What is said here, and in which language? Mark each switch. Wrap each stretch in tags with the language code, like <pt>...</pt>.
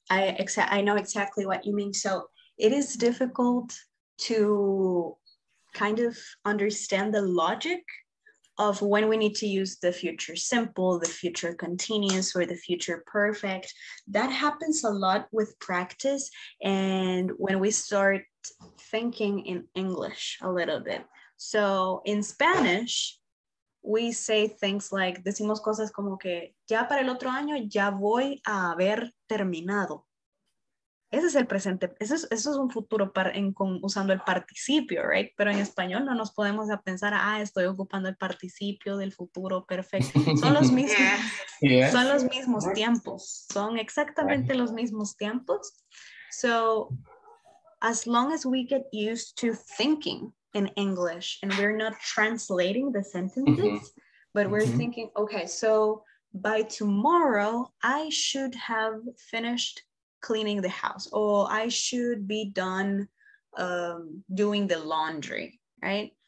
<en>I know exactly what you mean. So it is difficult to kind of understand the logic of when we need to use the future simple, the future continuous, or the future perfect. That happens a lot with practice and when we start thinking in English a little bit. So in Spanish, we say things like,</en> <es>decimos cosas como que, ya para el otro año ya voy a haber terminado. Ese es el presente, eso es un futuro usando el participio, right? Pero en español no nos podemos pensar, estoy ocupando el participio del futuro perfecto. Son los mismos, son los mismos tiempos, son exactamente los mismos tiempos.</es> <en>So, as long as we get used to thinking in English and we're not translating the sentences, but we're thinking, okay, so by tomorrow I should have finished cleaning the house, or I should be done doing the laundry, right?</en>